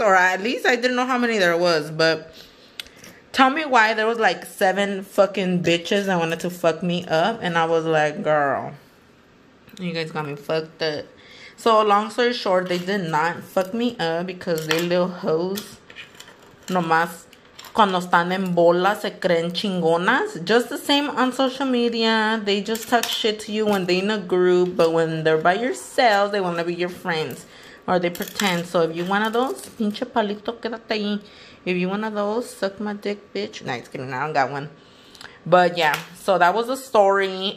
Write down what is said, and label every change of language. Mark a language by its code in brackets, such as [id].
[en] Or at least I didn't know how many there was, but... tell me why there was like 7 fucking bitches that wanted to fuck me up. And I was like, girl, You guys got me fucked up. So, long story short, they did not fuck me up because they little hoes. [es] Nomás, cuando están en bolas, se creen chingonas. [en] Just the same on social media. They just talk shit to you when they in a group. But when they're by yourself, they want to be your friends. Or they pretend. So, if you one of those, [es] pinche palito, quédate ahí. [en] If you one of those, suck my dick, bitch. Nah, just kidding. I don't got one. But, yeah. So, that was the story.